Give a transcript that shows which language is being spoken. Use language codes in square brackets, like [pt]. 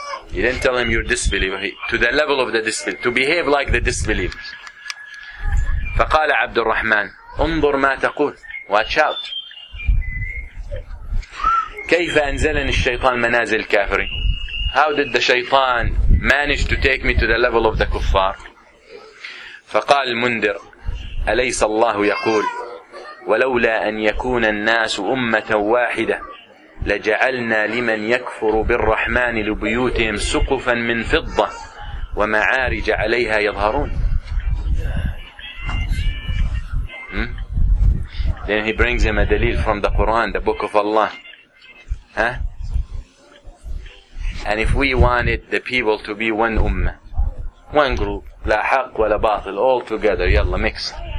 [en] He didn't tell him you're disbeliever. To the level of the disbeliever. To behave like the disbelievers. [ar] فقال عبد الرحمن انظر ما تقول. [en] Watch out. [ar] كيف أنزلني الشيطان منازل الكافرين. [en] How did the shaitan manage to take me to the level of the kuffar? [ar] فقال المنذر أليس الله يقول ولولا أن يكون الناس أمة واحدة لجعلنا لمن يكفر بالرحمن لبيوتهم سقفا من فضة ومعارج عليها يظهرون. [en] Then he brings him a دليل from the Quran, the book of Allah. And if we wanted the people to be one ummah, one group, [ar] لا حق ولا باطل, [en] all together, yalla mix.